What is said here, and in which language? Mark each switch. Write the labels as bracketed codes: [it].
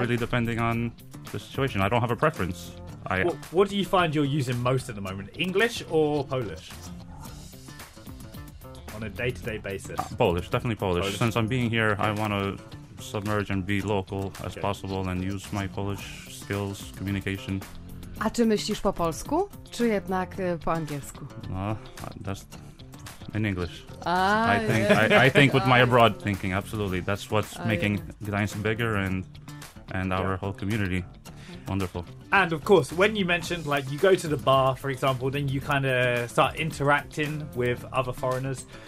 [en] Really depending on the situation. I don't have a preference. What do you find you're using most at the moment? English or Polish? On a day-to-day basis. Polish, definitely Polish. Since I'm being here, I want to submerge and be local as possible and use my Polish skills, communication. [pl] A czy myślisz po polsku, czy jednak po angielsku? [en] No, that's... In English. I think with my abroad thinking, absolutely. That's what's making Gdańsk bigger and our whole community wonderful. And of course, when you mentioned, like, you go to the bar, for example, then you kind of start interacting with other foreigners.